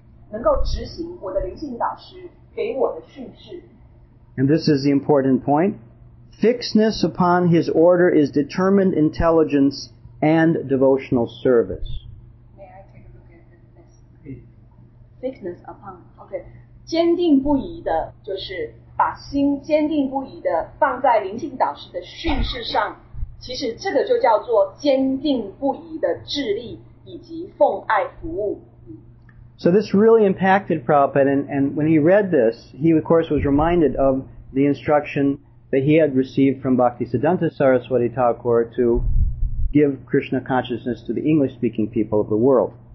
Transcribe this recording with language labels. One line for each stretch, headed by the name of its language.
English: And this is the important point. Fixedness upon his order is determined intelligence and devotional service. May I take a look at this? Fixedness upon, okay.
Chinese: 坚定不移的放在灵性导师的训示上。
English: So this really impacted Prabhupada, and when he read this, he of course was reminded of the instruction that he had received from Bhaktisiddhanta Saraswati Thakur to give Krishna consciousness to the English-speaking people of the world.